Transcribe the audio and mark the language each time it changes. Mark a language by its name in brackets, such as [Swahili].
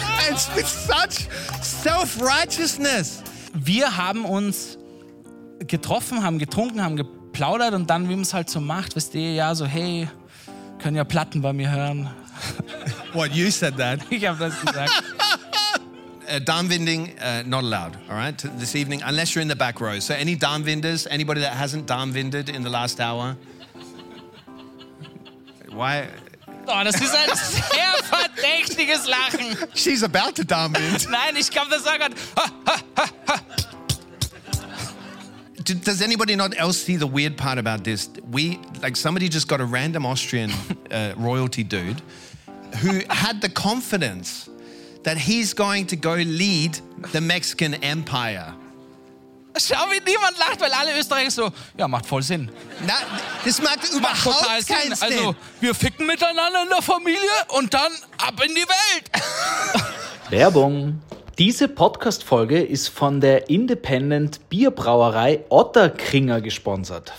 [English] It's with such self-righteousness. [German] Wir haben uns getroffen, haben getrunken, haben geplaudert und dann, wie man es halt so macht, wisst ihr, ja, so, hey, können ja Platten bei mir hören. [English] What, you said that? [German] Ich habe das gesagt. [English] Darmwinding, not allowed, all right, this evening, unless you're in the back row. So any Darmwinders, anybody that hasn't Darmwinded in the last hour? Why... [German] Oh, das ist ein sehr verdächtiges Lachen. [English] She's about to dumb it. [German] Nein, ich glaube, das war gerade... [English] Does anybody not else see the weird part about this? We, like, somebody just got a random Austrian royalty dude who had the confidence that he's going to go lead the Mexican Empire. [German] Schau, wie niemand lacht, weil alle Österreicher so, ja, macht voll Sinn. Na, das macht überhaupt macht keinen Sinn. Also, wir ficken miteinander in der Familie und dann ab in die Welt. Werbung. Diese Podcast-Folge ist von der Independent-Bierbrauerei Otterkringer gesponsert.